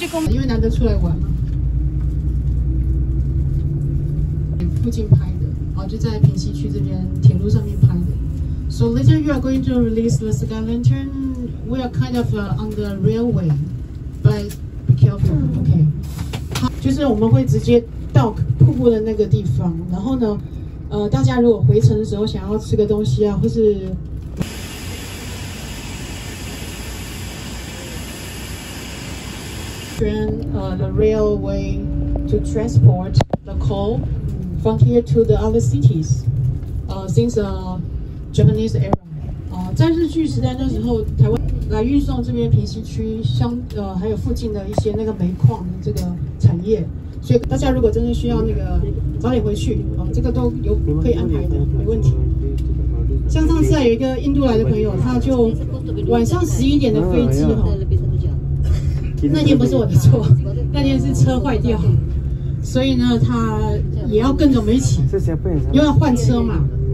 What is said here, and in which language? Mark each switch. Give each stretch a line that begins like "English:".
Chinese: 因为难得出来玩嘛，附近拍的，就在平西区这边铁路上面拍的。
English: So later you are going to release the second lantern. We are kind of on the railway, but be careful, okay?
Chinese: 就是我们会直接 dock 瀑布的那个地方，然后呢，大家如果回程的时候想要吃个东西啊，或是。
English: The railway to transport the coal from here to the other cities since the Japanese era.
Chinese: 在日据时代那时候，台湾来运送这边平西区乡还有附近的一些那个煤矿这个产业，所以大家如果真的需要那个早点回去，这个都有可以安排的，没问题。像上次有一个印度来的朋友，他就晚上11点的飞机那天不是我的错，那天是车坏掉，所以呢，他也要跟着我们一起，又要换车嘛。